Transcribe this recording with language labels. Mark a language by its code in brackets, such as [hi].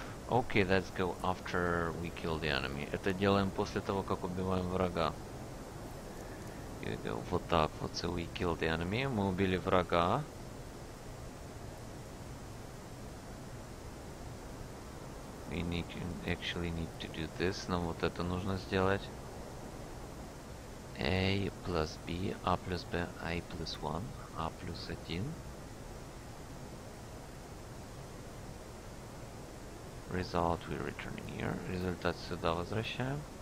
[en] Okay, let's go after we kill the enemy. [ru] Это делаем после того, как убиваем врага. Вот так вот, [en] so we kill the enemy. [ru] Мы убили врага. [en] We need to actually need to do this. [ru] Нам вот это нужно сделать. [en] A plus B, A plus B, A plus 1, A plus 1. Result we're returning here. [ru] Результат сюда возвращаем.